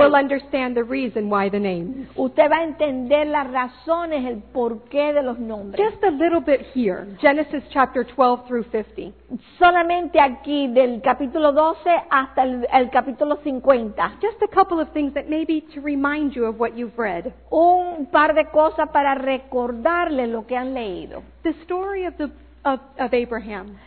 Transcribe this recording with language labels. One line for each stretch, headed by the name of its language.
English: will understand the reason why the names.
Spanish: Usted va a entender las razones, el porqué de los nombres.
English: Just a little bit here. Genesis chapter 12 through 50.
Spanish: Solamente aquí del capítulo 12 hasta el capítulo 50.
English: Just a couple of things that maybe to remind you of what you've read.
Spanish: Un par de cosas para recordarle lo que han leído.
English: The story of the of Abraham.